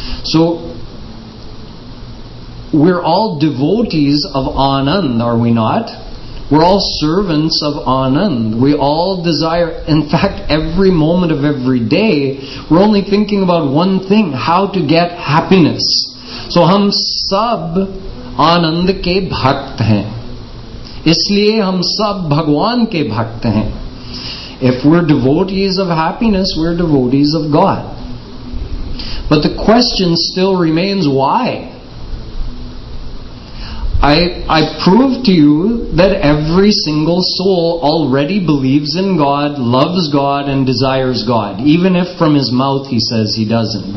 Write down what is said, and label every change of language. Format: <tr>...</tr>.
<en>So, we're all devotees of Anand, are we not? We're all servants of Anand. We all desire, in fact, every moment of every day, we're only thinking about one thing, how to get happiness.</en> <hi>So, हम सब आनंद के भक्त हैं। इसलिए हम सब भगवान के भक्त हैं।</hi> <en>If we're devotees of happiness, we're devotees of God. But the question still remains, why? I prove to you that every single soul already believes in God, loves God, and desires God, even if from his mouth he says he doesn't.</en>